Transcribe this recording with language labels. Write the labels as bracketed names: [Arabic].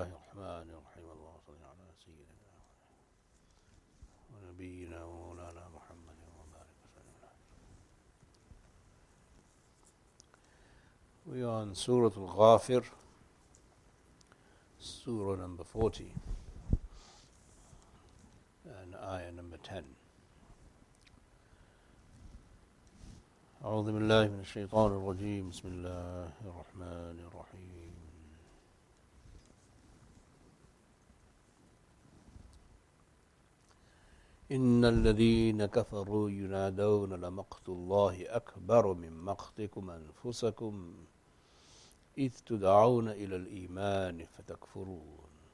[Arabic] الرحمن الرحيم اللهم صل على سيدنا ونبينا ومولانا محمد وبارك وسلم عليه. [English] We are in Surah Ghāfir, Surah number 40, and Ayah number 10. [Arabic] أعوذ بالله من الشيطان الرجيم بسم الله الرحمن الرحيم إن الذين كفروا ينادون لمقت الله أكبر من مقتكم أنفسكم إذ تدعون إلى الإيمان فتكفرون.